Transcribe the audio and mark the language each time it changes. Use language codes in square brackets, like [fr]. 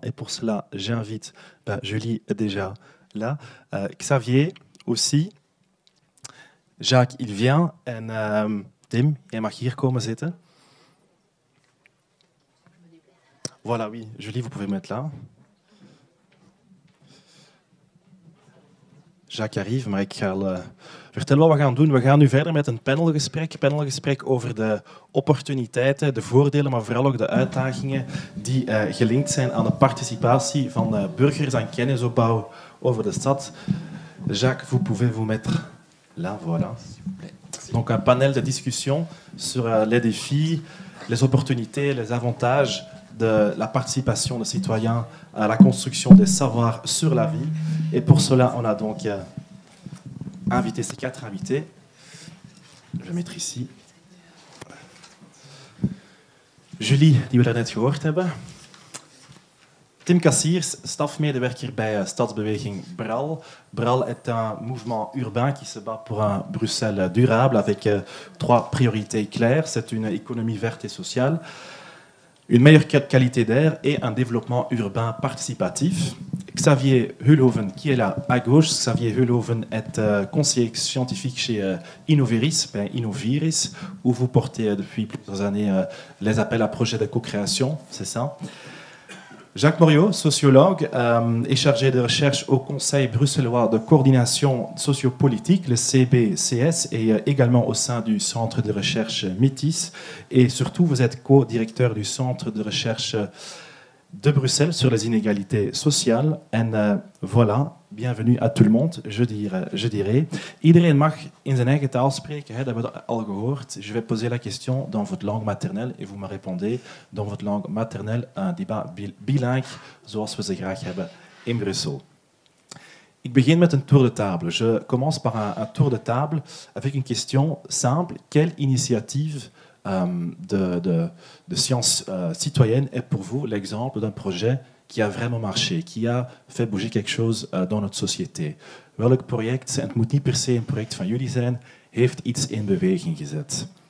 [fr] Et pour cela, j'invite Julie est déjà là, Xavier aussi, Jacques il vient, et Tim, [nl] jij mag hier komen zitten. [fr] Voilà, oui, Julie, vous pouvez mettre là. Jacques arrive, [nl] maar ik ga vertellen wat we gaan doen. We gaan nu verder met een panelgesprek. Panelgesprek over de opportuniteiten, de voordelen, maar vooral ook de uitdagingen die gelinkt zijn aan de participatie van burgers aan kennisopbouw over de stad. [fr] Jacques, vous pouvez vous mettre là, voilà. Donc un panel de discussion sur les défis, les opportunités, les avantages de la participation des citoyens à la construction des savoirs sur la ville. Et pour cela, on a donc invité ces quatre invités. Je vais mettre ici. [nl] Julie, die we daarnet gehoord hebben. Tim Kassiers, stafmedewerker bij Stadsbeweging BRAL. [fr] BRAL est un mouvement urbain qui se bat pour un Bruxelles durable avec trois priorités claires. C'est une économie verte et sociale, une meilleure qualité d'air et un développement urbain participatif. Xavier Hulhoven, qui est là à gauche. Xavier Hulhoven est conseiller scientifique chez Innoviris, où vous portez depuis plusieurs années les appels à projets de co-création, c'est ça. Jacques Moriot, sociologue, est chargé de recherche au Conseil bruxellois de coordination sociopolitique, le CBCS, et également au sein du Centre de recherche Métis. Et surtout, vous êtes co-directeur du Centre de recherche de Bruxelles sur les inégalités sociales. En voilà, bienvenue à tout le monde, je dirais. [nl] Iedereen mag in zijn eigen taal spreken, dat hebben we al gehoord. [fr] Je vais poser la question dans votre langue maternelle et vous me répondez dans votre langue maternelle un débat bilingue, [nl] zoals we ze graag hebben in Brussel. Ik begin met een tour de table. [fr] Je commence par un tour de table avec une question simple. Quelle initiative de sciences citoyennes est pour vous l'exemple d'un projet qui a vraiment marché, qui a fait bouger quelque chose dans notre société? [nl] Welk project, en het moet niet per se een project van jullie zijn, heeft iets in beweging gezet?